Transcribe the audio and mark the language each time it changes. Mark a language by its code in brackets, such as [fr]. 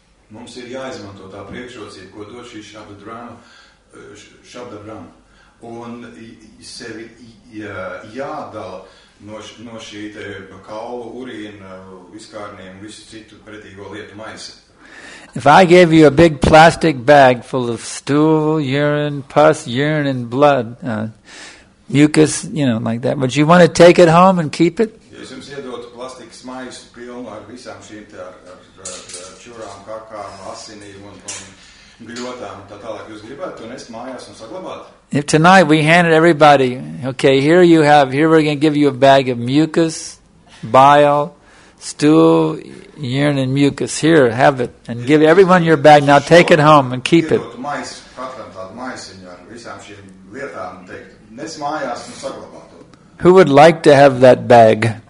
[lv] Mums ir jāizmanto tā priekšrocība, ko dod šī Shabda Brahma, un sevi jādala. No šī te kaulu, urīna, viskārniem, visu citu pretīgo lietu maisa. [en] If I gave you a big plastic bag full of stool, urine, pus, urine and blood, mucus, you know, like that, would you want to take it home and keep it? [lv] Ja es jums iedotu plastikas maisu pilnu ar visām šīm te čurām, kakām, asinīm un gļotām, tā tālāk jūs gribētu to nest mājās un saglabāt? [en] If tonight we handed everybody, okay, here we're going to give you a bag of mucus, bile, stool, urine and mucus. Here, have it. And give everyone your bag. Now take it home and keep it. Who would like to have that bag?